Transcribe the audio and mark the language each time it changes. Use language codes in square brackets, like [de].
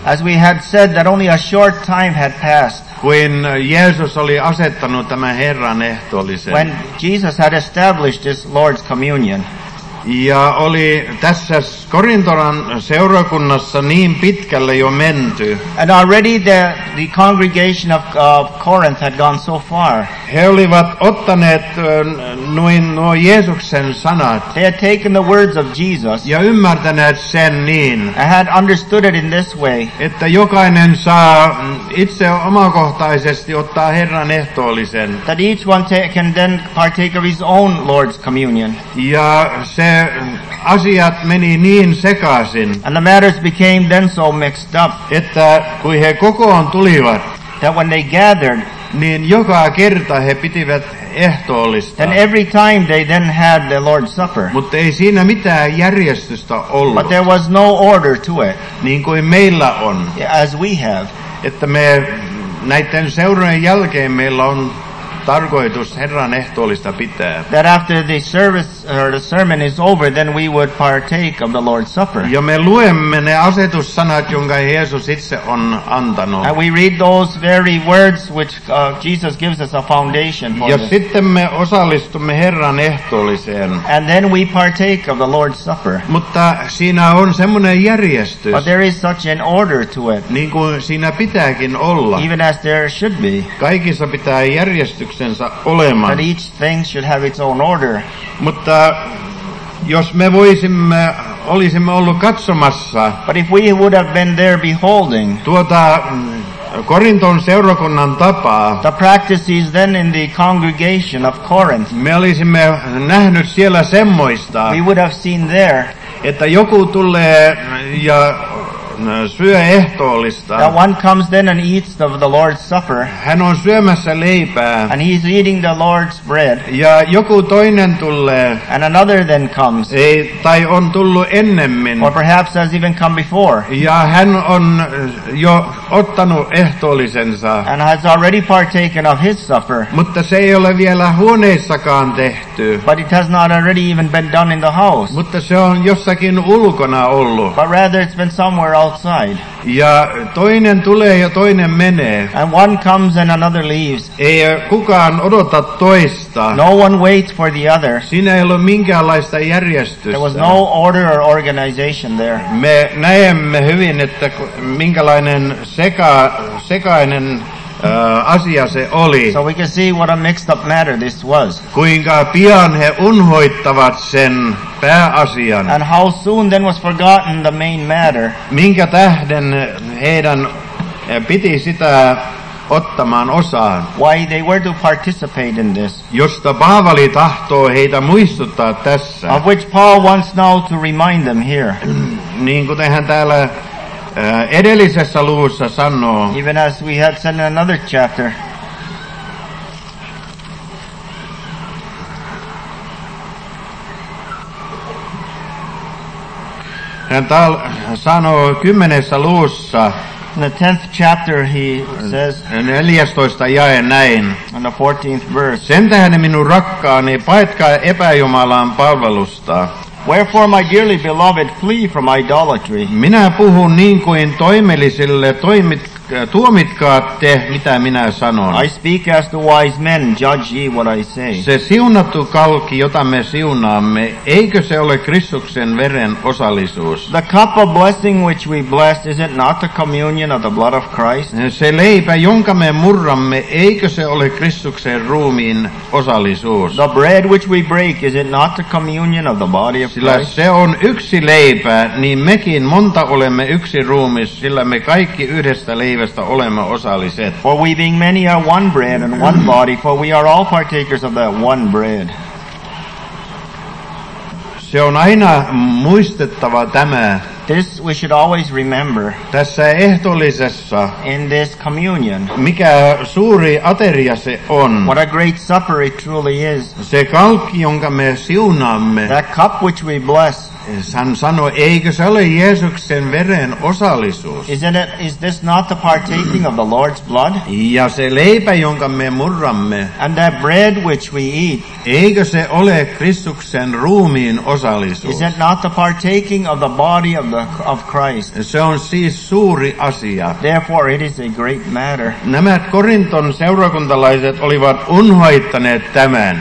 [en] As we had said that only a short time had passed. [fi] Kun Jeesus oli asettanut tämän Herran ehtoollisen. [en] When Jesus had established this Lord's communion. [fi] Ja oli tässä Korintolan seurakunnassa niin pitkälle jo menty. [en] And already the congregation of Corinth had gone so far. [fi] He olivat ottaneet nuo Jeesuksen sanat. [en] They had taken the words of Jesus. [fi] Ja ymmärtäneet sen niin. [en] And had understood it in this way. [fi] Että jokainen saa itse omakohtaisesti ottaa Herran ehtoollisen. [en] That each one can then partake of his own Lord's communion. [fi] Ja se asiat meni niin sekaisin. [en] And the matters became then so mixed up. [fi] Että kun he kokoon tulivat. [en] That when they gathered. [fi] Niin joka kerta he pitivät ehtoollista. [en] And every time they then had the Lord's Supper. [fi] Mutta ei siinä mitään järjestystä ollut. [en] But there was no order to it. [fi] Niin kuin meillä on. [en] As we have. [fi] Että me näiden seurojen jälkeen meillä on tarkoitus Herran ehtoollista pitää. [en] That after the service or the sermon is over, then we would partake of the Lord's Supper. [fi] Ja me luemme ne asetussanat, jonka Jeesus itse on antanut. [en] And we read those very words which Jesus gives us a foundation for. [fi] Ja sitten me osallistumme Herran ehtoolliseen. [en] And then we partake of the Lord's Supper. [fi] Mutta siinä on semmoinen järjestys. [en] But there is such an order to it. [fi] Niin kuin siinä pitääkin olla. [en] Even as there should be. [fi] Kaikissa pitää järjestyä. [en] That each thing should have its own order. [fi] Mutta jos me voisimme, olisimme ollut katsomassa. [en] But if we would have been there beholding. [fi] Tuota Korinton seurakunnan tapaa. [en] The practices then in the congregation of Corinth. [fi] Me olisimme nähnyt siellä semmoista. [en] We would have seen there. [fi] Että joku tulee ja syö ehtoollista. [en] That one comes then and eats of the Lord's Supper. [fi] Hän on syömässä leipää. [en] And he's eating the Lord's bread. [fi] Ja joku toinen tulee. [en] And another then comes. [fi] Ei, tai on tullut ennemmin. [en] Or perhaps has even come before. [fi] Ja hän on jo ottanut ehtoollisensa. [en] And has already partaken of his supper. [fi] Mutta se ei ole vielä huoneissakaan tehty. [en] But it has not already even been done in the house. [fi] Mutta se on jossakin ulkona ollut. [en] But rather it's been somewhere outside. [fi] Ja toinen tulee ja toinen menee. [en] And one comes and another leaves. [fi] Ei kukaan odota toista. [en] No one waits for the other. [fi] Siinä ei ole minkäänlaista järjestystä. [en] There was no order or organization there. [fi] Me näemme hyvin, että minkälainen sekainen asia se oli. [en] So we can see what a mixed up matter this was. [fi] Kuinka pian he unhoittavat sen pääasian. [en] And how soon then was forgotten the main matter. [fi] Minkä tähden heidän piti sitä ottamaan osaan. [en] Why they were to participate in this. [fi] Josta Paavali tahtoo heitä muistuttaa tässä. [en] Of which Paul wants now to remind them here. [fi] Niin kuin hän täällä edellisessä luvussa sanoo. [en] Even as we had said in another chapter. [fi] Hän täällä sanoo kymmenessä luvussa. [en] In the 10th chapter he says. [fi] 14. jae näin. [en] In the 14th verse. [fi] Sen tähden minun rakkaani, paetkaa epäjumalan palvelusta. [en] Wherefore, my dearly beloved, flee from idolatry. [fi] Minä puhun niin kuin toimellisille tuomitkaa te, mitä minä sanon. [en] I speak as the wise men, judge ye what I say. [fi] Se siunattu kalkki, jota me siunaamme, eikö se ole Kristuksen veren osallisuus? [en] The cup of blessing which we bless, is it not the communion of the blood of Christ? [fi] Se leipä, jonka me murramme, eikö se ole Kristuksen ruumiin osallisuus? [en] The bread which we break, is it not the communion of the body of [fi] Christ? Sillä se on yksi leipä, niin mekin monta olemme yksi ruumis, sillä me kaikki yhdestä leivästä olemme osalliset. [en] For we being many are one bread and one body, for we are all partakers of that one bread. [fi] Se on aina muistettava tämä. [en] This we should always remember. [fi] Tässä ehtoollisessa. [en] In this communion. [fi] Mikä suuri ateria se on. [en] What a great supper it truly is. [fi] Se kalkki, jonka me siunaamme. [en] That cup which we bless. [fi] Hän sanoi, eikö se ole Jeesuksen veren osallisuus? [en] Is this not the partaking of the Lord's blood? [fi] Ja se leipä, jonka me murramme. [en] And that bread which we eat. [fi] Eikö se ole Kristuksen ruumiin osallisuus? [en] Is it not the partaking of the body of Christ? [fi] Se on siis suuri asia. [en] Therefore it is a great matter. [fi] Nämä Korinton seurakuntalaiset olivat unhoittaneet tämän.